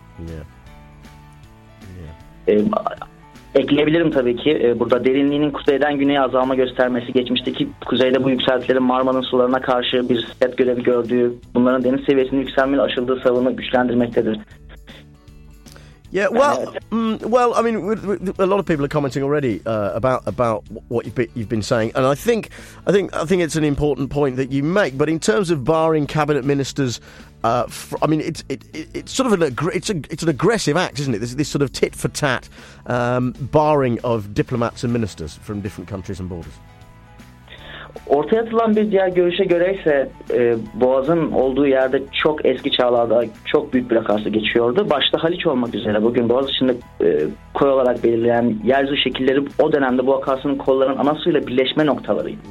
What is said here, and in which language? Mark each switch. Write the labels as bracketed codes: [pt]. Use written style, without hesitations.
[en] Yeah. [tr] Ekleyebilirim tabii ki. Burada derinliğinin kuzeyden güneye azalma göstermesi, geçmişteki kuzeyde bu yükseltilerin Marmara'nın sularına karşı bir set görevi gördüğü, bunların deniz seviyesinin yükselmenin aşıldığı savunu güçlendirmektedir. [en] Yeah, well, I mean, a lot of people are commenting already about what you've been saying, and I think it's an important point that you make. But in terms of barring cabinet ministers, it's an aggressive act, isn't it? This sort of tit for tat barring of diplomats and ministers from different countries and borders. [tr] Ortaya atılan bir diğer görüşe göre ise Boğaz'ın olduğu yerde çok eski çağlarda çok büyük bir akarsu geçiyordu. Başta Haliç olmak üzere bugün Boğaz içinde koy olarak belirleyen yeryüzü şekilleri o dönemde bu akarsunun kollarının anasıyla birleşme noktalarıydı.